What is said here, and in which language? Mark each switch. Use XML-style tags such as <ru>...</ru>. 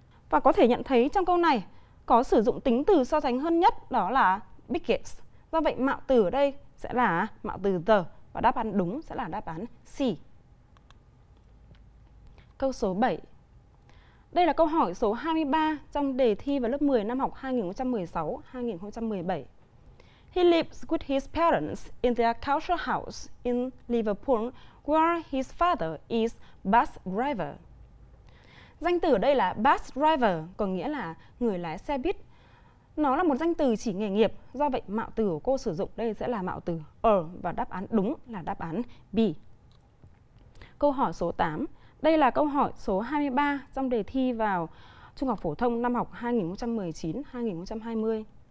<vi>Và có thể nhận thấy trong câu này có sử dụng tính từ so sánh hơn nhất đó là biggest. Do vậy mạo từ ở đây sẽ là mạo từ the và đáp án đúng sẽ là đáp án C. Câu số 7. Đây là câu hỏi số 23 trong đề thi vào lớp 10 năm học 2016-2017.</vi> <en>He lives with his parents in their culture house in Liverpool where his father is bus driver.</en> <vi>Danh từ ở đây là bus driver, có nghĩa là người lái xe buýt. Nó là một danh từ chỉ nghề nghiệp, do vậy mạo từ của cô sử dụng đây sẽ là mạo từ ở và đáp án đúng là đáp án B. Câu hỏi số 8. Đây là câu hỏi số 23 trong đề thi vào Trung học Phổ thông năm học 2019-2020.</vi>